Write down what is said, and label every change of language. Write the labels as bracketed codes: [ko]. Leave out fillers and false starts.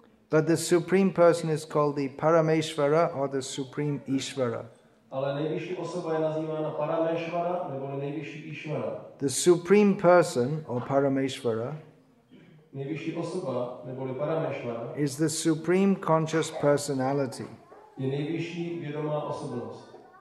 [en] But the supreme person is called the Parameshvara or the supreme Ishvara. [cs] Ale nejvyšší osoba je nazývána Parameshvara nebo nejvyšší Ishvara. [en] The supreme person or Parameshvara [cs] nejvyšší osoba neboli Parameshvara [en] is the supreme conscious personality. [cs] Je nejvyšší vědomá osobnost.